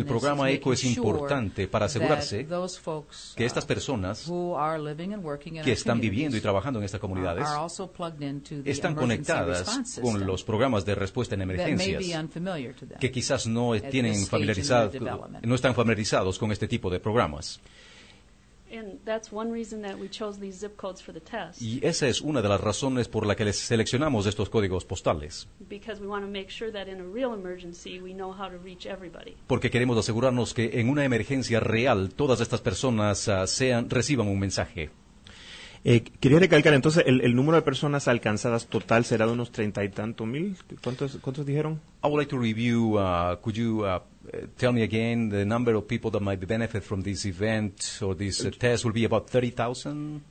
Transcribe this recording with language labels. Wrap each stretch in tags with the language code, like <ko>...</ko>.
<es>el programa ECHO es importante para asegurarse que estas personas que están viviendo y trabajando en estas comunidades están conectadas con los programas de respuesta en emergencias que quizás no están familiarizados con este tipo de programas.</es> <en>And that's one reason that we chose these zip codes for the test.</en> <es>Y esa es una de las razones por la que les seleccionamos estos códigos postales.</es> <en>Because we want to make sure that in a real emergency we know how to reach everybody.</en> <es>Porque queremos asegurarnos que en una emergencia real todas estas personas reciban un mensaje. Quería recalcar, entonces, el número de personas alcanzadas total será de unos 30,000+. ¿Cuántos dijeron?</es> <en>I would like to review, could you tell me again the number of people that might benefit from this event or this test will be about 30,000?</en>